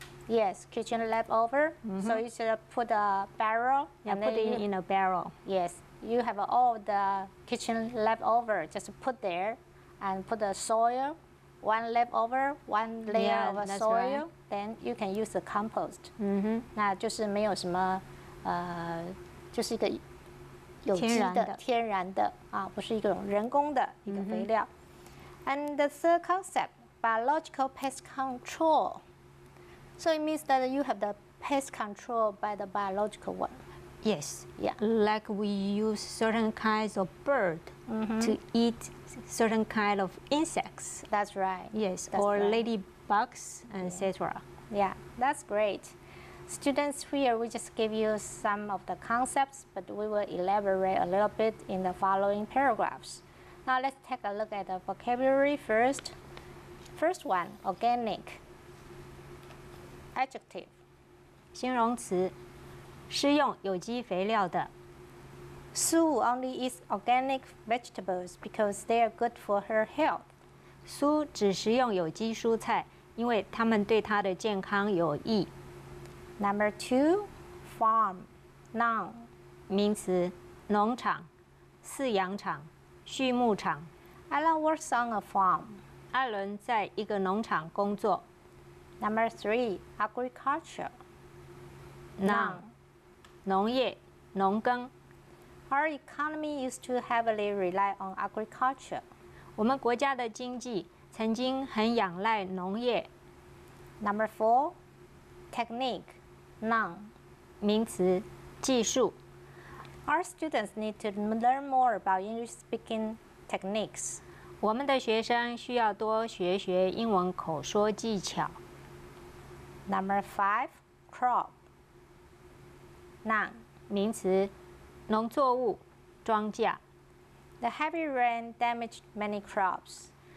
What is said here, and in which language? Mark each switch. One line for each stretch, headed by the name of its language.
English: Yes, kitchen leftover. Mm-hmm. So you should put a barrel. Yeah, and put it in a barrel. Yes, you have all the kitchen leftover. Just put there and put the soil, one leftover, one layer yeah, of soil. Right. Then you can use the compost. Mm-hmm.
Chinese: 那就是没有什么，就是一个。有机的天然的啊，不是一个人工的一个肥料、 mm-hmm.
English: And the third concept, biological pest control. So it means that you have the pest control by the biological one. Yes. Yeah. Like we use certain kinds of bird、 mm-hmm. to eat certain kind of insects. That's right. Yes. That's or right. ladybugs, etc. Yeah, that's great. Students, here we just give you some of the concepts, but we will elaborate a little bit in the following paragraphs. Now let's take a look at the vocabulary first. First one, organic. Adjective.
Chinese: 形容词，是用有机肥料的。
English: Sue only eats organic vegetables because they are good for her health.
Chinese: Sue 只食用有机蔬菜，因为它们对她的健康有益。
English: Number two, farm, noun,
Chinese: 名词，农场，饲养场，畜牧场。
English: Alan works on a farm.
Chinese: 艾伦在一个农场工作。
English: Number three, agriculture,
Chinese: noun, 农业，农耕。
English: Our economy used to heavily rely on agriculture.
Chinese: 我们国家的经济曾经很仰赖农业。
English: Number four, technique. Noun,
Chinese: 名词，技术。
English: Our students need to learn more about English speaking techniques.
Chinese: 我们的学生需要多学学英文口说技巧。
English: Number five, crop. Noun,
Chinese: 名词，农作物，庄稼。
English: The heavy rain damaged many crops.